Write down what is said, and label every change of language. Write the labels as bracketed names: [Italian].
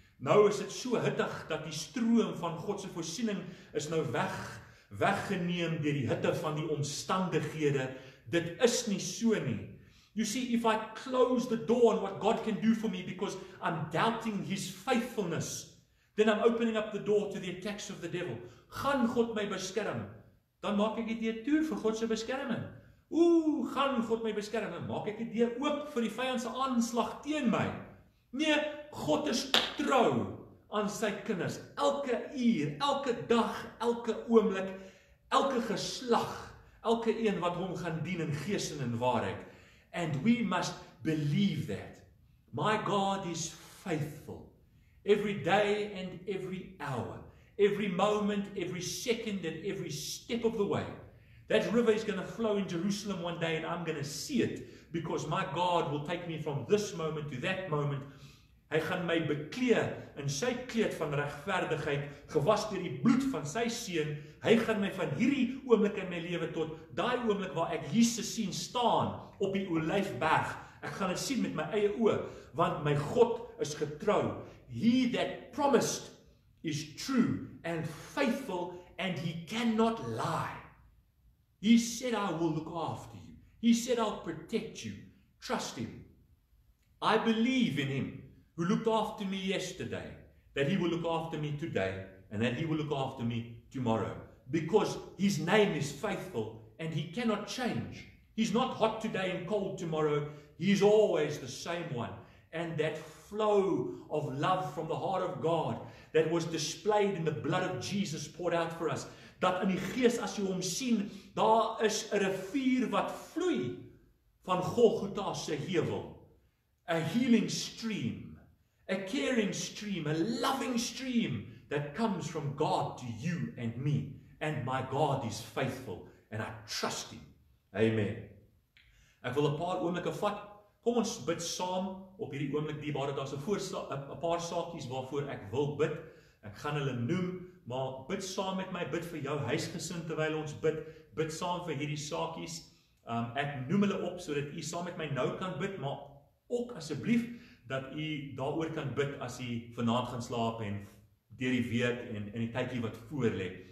[Afrikaans] Nou is dit so hittig dat die stroom van God se voorsiening is nou weggeneem deur die hitte van die omstandighede. Dit is nie so nie. [English] You see, if I close the door on what God can do for me because I'm doubting his faithfulness, then I'm opening up the door to the attacks of the devil. [Afrikaans] Gaan God my beskerm, dan maak ek die deur vir God se beskerming. Gaan God my beskerm, dan maak ek die deur oop vir die vyand se aanslag teen my. Nee, God is trou aan sy kinders. Elke uur, elke dag, elke oomblik, elke geslag, elke een wat hom gaan dien in gees en in waarheid. [English] And we must believe that. My God is faithful. Every day and every hour, every moment, every second and every step of the way. That river is going to flow in Jerusalem one day and I'm going to see it because my God will take me from this moment to that moment. Hy gaan my bekleed in sy kleed van regverdigheid, gewas deur die bloed van sy seun. Hy gaan my van hierdie oomblik in my lewe tot daai oomblik waar ek Jesus sien staan op die Olyfberg. Ek gaan dit sien met my eie oë, want my God is getrou. He that promised is true and faithful and he cannot lie. He said I will look after you. He said I'll protect you. Trust him. I believe in him. Who looked after me yesterday, that he will look after me today, and that he will look after me tomorrow. Because his name is faithful, and he cannot change. He's not hot today and cold tomorrow. He's always the same one. And that flow of love from the heart of God that was displayed in the blood of Jesus poured out for us. [Afrikaans] Dat in die gees, as jy hom sien, daar is 'n rivier wat vloei van Golgotha se heuwel. [English] A healing stream. A caring stream, a loving stream that comes from God to you and me. And my God is faithful and I trust him. Amen. [Afrikaans] Ek wil 'n paar oomblikke vat. Kom ons bid saam op hierdie oomblik die waar dit daar's 'n paar saakies waarvoor ek wil bid. Ek gaan hulle noem, maar bid saam met my, bid vir jou huisgesin terwyl ons bid. Bid saam vir hierdie saakies. Ek noem hulle op sodat u saam met my nou kan bid, maar ook asseblief dat u daaroor kan bid as u vanaand gaan slaap en deur die week en in die tydjie wat voor lê.